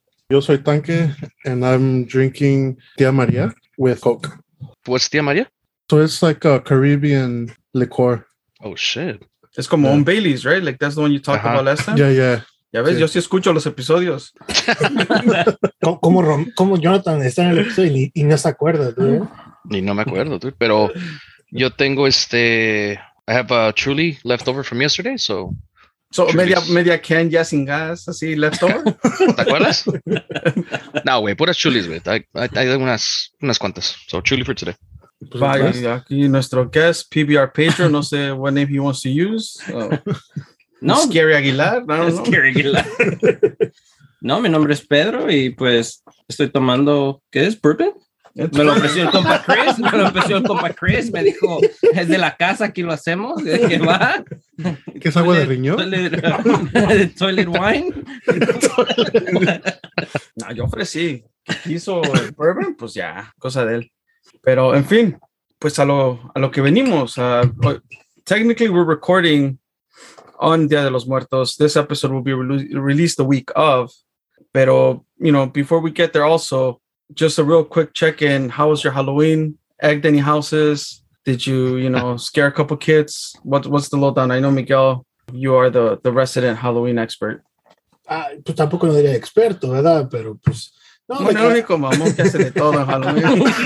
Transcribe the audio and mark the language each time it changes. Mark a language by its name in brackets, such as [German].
[Spanish] Yo soy Tanque, [English] and I'm drinking Tia María with Coke. What's Tia María? So it's like a Caribbean liqueur. Oh, shit. [Spanish] Es como un Bailey's, right? [English] Like, that's the one you talked about last time? Yeah, yeah. [Spanish] Ya ves, sí. Yo sí escucho los episodios. ¿Cómo Jonathan está en el episodio y no se acuerda, tú? Y no me acuerdo, tú. Pero yo tengo [English] I have a Truly leftover from yesterday, so. [Spanish] So media can ya sin gas, así leftover. ¿Te acuerdas? No, güey, puras Chulis, güey. Hay unas cuantas. [English] So Truly for today. Bye, [Spanish] aquí nuestro [English] guest, PBR Pedro. [Spanish] No sé [English] what name he wants to use. [Spanish] No, Scary Aguilar. No, no. Scary Aguilar. No, mi nombre es Pedro y pues estoy tomando, ¿qué es? ¿Bourbon? Me lo ofreció el compa Chris. Me lo ofreció el compa Chris. Me dijo, es de la casa, aquí lo hacemos. ¿Qué va? ¿Qué es agua de riñón? [English] Toilet wine. [Spanish] No, yo ofrecí. Quiso el bourbon, pues ya, cosa de él. Pero en fin, pues a lo que venimos. [English] Technically, we're recording on Día de los Muertos. This episode will be released the week of. [Spanish] Pero, [English] you know, before we get there also, just a real quick check-in. How was your Halloween? Egged any houses? Did you, you know, scare a couple kids? What's the lowdown? I know, Miguel, you are the resident Halloween expert. [Spanish] Pues tampoco no diría experto, ¿verdad? Pero pues... No, bueno, el único mamón que hace de todo en Halloween.